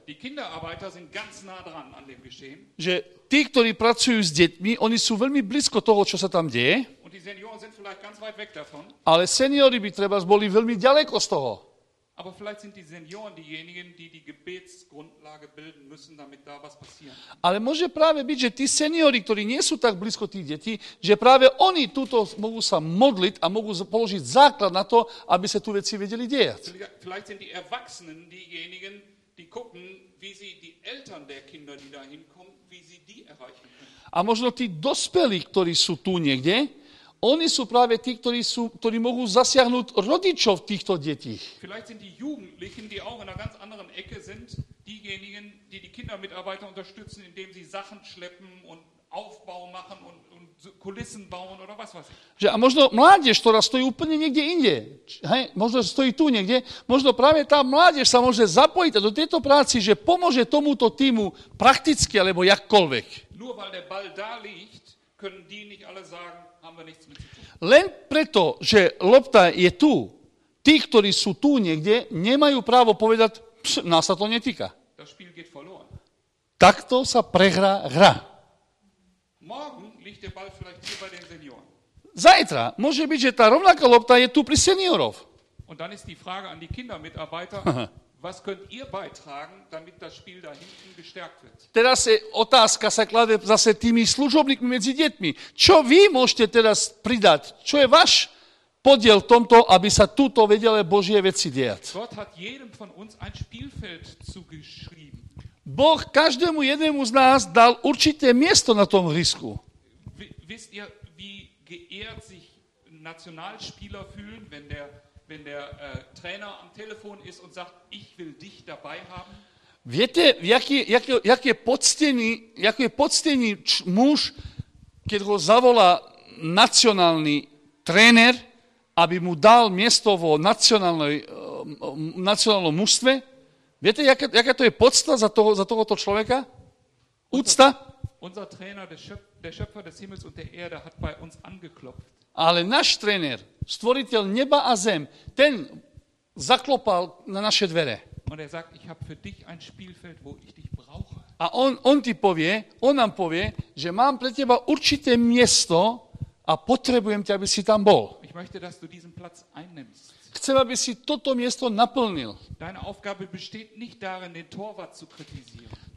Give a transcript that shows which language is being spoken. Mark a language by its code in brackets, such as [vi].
[de] Die Kinderarbeiter sind ganz nah dran an dem Geschehen. [sk] Že tí, ktorí pracujú s deťmi, oni sú veľmi blízko toho, čo sa tam deje. [de] Und die Senioren sind vielleicht ganz weit weg davon. [sk] Ale seniori by treba boli veľmi ďaleko z toho. [de] Aber vielleicht sind die Senioren diejenigen, die die Gebetsgrundlage bilden müssen, damit da was passiert. [sk] Ale môže práve byť, že tí seniori, ktorí nie sú tak blízko tých detí, že práve oni túto mohú sa modliť a mohú položiť základ na to, aby sa tu veci vedeli dejať. [de] Vielleicht sind die Erwachsenen diejenigen, die gucken, wie sie die Eltern der Kinder, die da hinkommen, wie sie die erreichen können. [sk] A možno tí dospelí, ktorí sú tu niekde, oni sú práve tí, ktorí mohú zasiahnuť rodičov týchto detí. [de] Vielleicht sind die Jugendlichen, die auch in einer ganz anderen Ecke sind, diejenigen, die die Kindermitarbeiter unterstützen, indem sie Sachen schleppen und Aufbau machen und Kulissen bauen oder was weiß ich. [sk] Že a možno mládež, ktorá stojí úplne niekde inde, hej, možno stojí tu niekde, možno práve tá mládež sa môže zapojiť do tejto práci, že pomôže tomuto týmu prakticky alebo jakkoľvek. [de] Nur weil der Ball da liegt, können die nicht alle sagen, haben wir nichts mit zu tun. [sk] Len preto, že lopta je tu, tí, ktorí sú tu niekde, nemajú právo povedať, nás sa to netýka. [de] Das Spiel geht verloren. [sk] Takto sa prehrá hra. [de] Morgen liegt der Ball vielleicht hier bei den Senioren. [sk] Zajtra môže byť, že tá rovnaká lopta je tu pri seniorov. [de] Und dann ist die Frage an die Kindermitarbeiter, was könnt ihr beitragen, damit das Spiel da hinten gestärkt wird? [sk] Teraz je otázka sa klade zase tými služobníkmi medzi deťmi. Čo vy môžete teraz pridať? Čo je váš podiel v tomto, aby sa tuto vedele Božie veci diať? [de] Gott hat jedem von uns ein Spielfeld zugeschrieben. [sk] Boh každému jednému z nás dal určité miesto na tom hrisku. [de] Wisst ihr, wie geehrt sich Nationalspieler fühlen, wenn der Trainer am Telefon ist und sagt, ich will dich dabei haben? [sk] Viete, jaký je poctený muž, keď ho zavolá nacionálny tréner, aby mu dal miesto vo nacionálnom mužstve? Viete, jaká to je pocta za tohoto človeka? Úcta? [de] Unser Trainer, der Schöpfer des Himmels und der Erde, hat bei uns angeklopft. [sk] Ale náš tréner, stvoriteľ neba a zem, ten zaklopal na naše dvere. [de] Und er sagt, ich habe für dich ein Spielfeld, wo ich dich brauche. [sk] A on nám povie, že mám pre teba určité miesto a potrebujem ťa, aby si tam bol. [de] Ich möchte, dass du diesen Platz einnimmst. [sk] Chcem, aby si toto miesto naplnil. [de] Deine Aufgabe besteht nicht darin, den Torwart zu kritisieren.